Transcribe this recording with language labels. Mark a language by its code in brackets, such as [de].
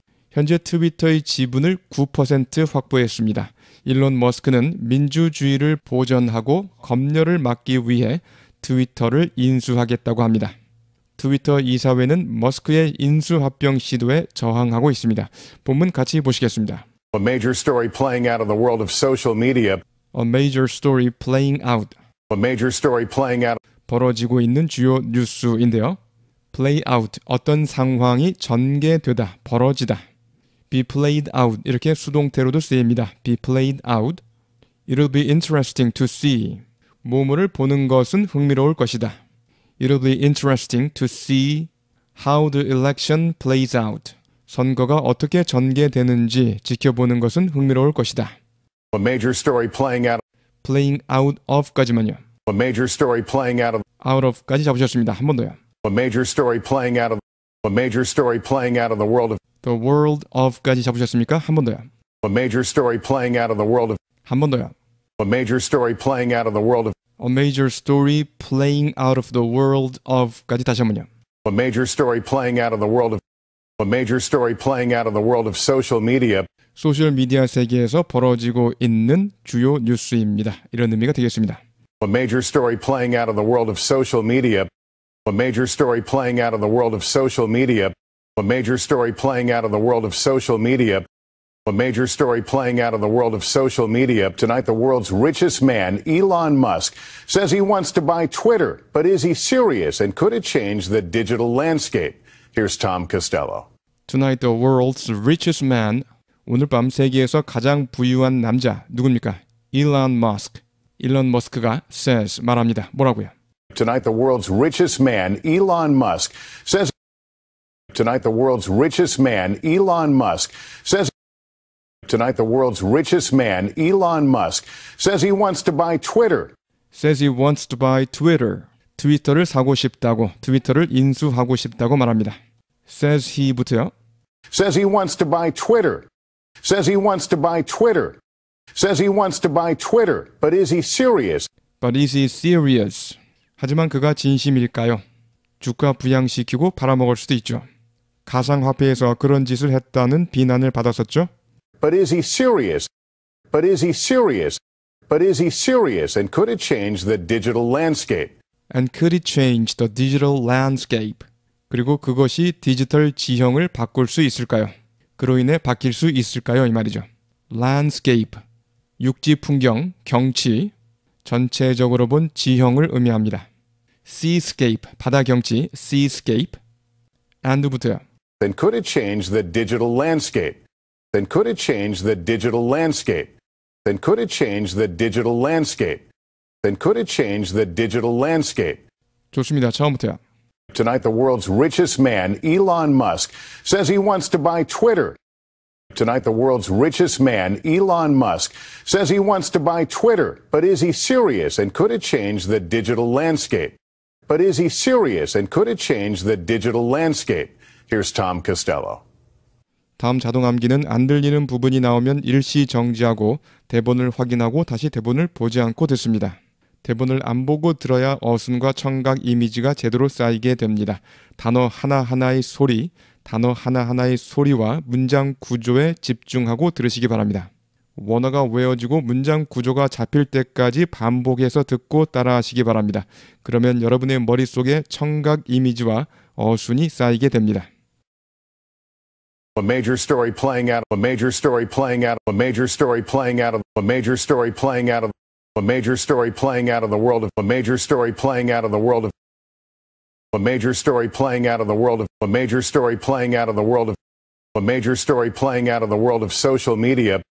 [ko] 현재 트위터의 지분을 9% 확보했습니다. 일론 머스크는 민주주의를 보전하고 검열을 막기 위해 트위터를 인수하겠다고 합니다. 트위터 이사회는 머스크의 인수 합병 시도에 저항하고 있습니다. 본문 같이 보시겠습니다. [en] A major story playing out in the world of social media. A major story playing out. A major story playing out. [ko] 벌어지고 있는 주요 뉴스인데요. [en] Play out. [ko] 어떤 상황이 전개되다, 벌어지다. [en] Be played out. [ko] 이렇게 수동태로도 쓰입니다. [en] Be played out. It'll be interesting to see. [ko] 뭐뭐를 보는 것은 흥미로울 것이다. [en] It'll be interesting to see how the election plays out. [ko] 선거가 어떻게 전개되는지 지켜보는 것은 흥미로울 것이다. [en] A major story playing out. Playing out of [ko] 까지만요. [en] A major story playing out of. [ko] Out of까지 잡으셨습니다. 한 번 더요. [en] A major story playing out of. A major story playing out of the world of. The world of까지 [ko] 잡으셨습니까? 한 번 더요. [en] A major story playing out of the world of. [ko] 한 번 더요. [en] A major story playing out of the world of. A major story playing out of the world of까지 [ko] 다시 한 번요. [en] A major story playing out of the world of. A major story playing out of the world of social media. [ko] 소셜 미디어 세계에서 벌어지고 있는 주요 뉴스입니다. 이런 의미가 되겠습니다. [en] A major story playing out of the world of social media. A major story playing out of the world of social media. A major story playing out of the world of social media. A major story playing out of the world of social media. Tonight, the world's richest man, Elon Musk, says he wants to buy Twitter. But is he serious? And could it change the digital landscape? Here's Tom Costello. Tonight, the world's richest man. [ko] 오늘 밤 세계에서 가장 부유한 남자, 누굽니까? [en] Elon Musk. [ko] Elon Musk가 says, 말합니다. 뭐라고요? [en] Tonight, the world's richest man, Elon Musk, says... Tonight, the world's richest man, Elon Musk, says... Tonight, the world's richest man, Elon Musk, says he wants to buy Twitter. Says he wants to buy Twitter. [ko] 트위터를 사고 싶다고, 트위터를 인수하고 싶다고 말합니다. [en] Says he부터요. Says he wants to buy Twitter. Says he wants to buy Twitter. Says he wants to buy Twitter. But is he serious? But is he serious? [ko] 하지만 그가 진심일까요? 주가 부양시키고 팔아먹을 수도 있죠. 가상화폐에서 그런 짓을 했다는 비난을 받았었죠. [en] But is he serious? But is he serious? But is he serious? And could it change the digital landscape? And could it change the digital landscape? [ko] 그리고 그것이 디지털 지형을 바꿀 수 있을까요? 그로 인해 바뀔 수 있을까요? 이 말이죠. Landscape, 육지 풍경, 경치, 전체적으로 본 지형을 의미합니다. Seascape, 바다 경치, seascape. And부터요. [en] And could it change the digital landscape? Then could it change the digital landscape? Then could it change the digital landscape? Then could it change the digital landscape? [ko] 좋습니다. 처음부터요. [en] Tonight the world's richest man, Elon Musk, says he wants to buy Twitter. Tonight the world's richest man, Elon Musk, says he wants to buy Twitter. But is he serious and could it change the digital landscape? But is he serious and could it change the digital landscape? Here's Tom Costello. [ko] 다음 자동 암기는 안 들리는 부분이 나오면 일시 정지하고 대본을 확인하고 다시 대본을 보지 않고 듣습니다. 대본을 안 보고 들어야 어순과 청각 이미지가 제대로 쌓이게 됩니다. 단어 하나하나의 소리, 단어 하나하나의 소리와 문장 구조에 집중하고 들으시기 바랍니다. 원어가 외워지고 문장 구조가 잡힐 때까지 반복해서 듣고 따라하시기 바랍니다. 그러면 여러분의 머릿속에 청각 이미지와 어순이 쌓이게 됩니다. [en] A major story playing out. A major story playing out. A major story playing out. A major story playing out. A major story playing out of the world of. A major story playing out of the world of. A major story playing out of the world of. A major story playing out of the world of. A major story playing out of the world of social media.